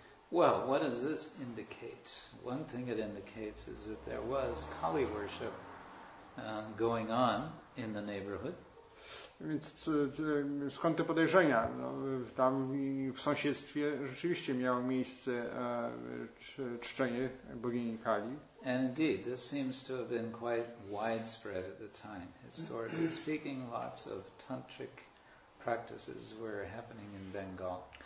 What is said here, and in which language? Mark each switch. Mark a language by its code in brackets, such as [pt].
[en] Well, what does this indicate? One thing it indicates is that there was Kali worship going on in the neighborhood. [pl] Więc skąd te podejrzenia? No, tam w sąsiedztwie rzeczywiście miało miejsce czczenie bogini Kali. [en] And indeed, this seems to have been quite widespread at the time. Historically speaking, lots of tantric practices were happening in Bengal.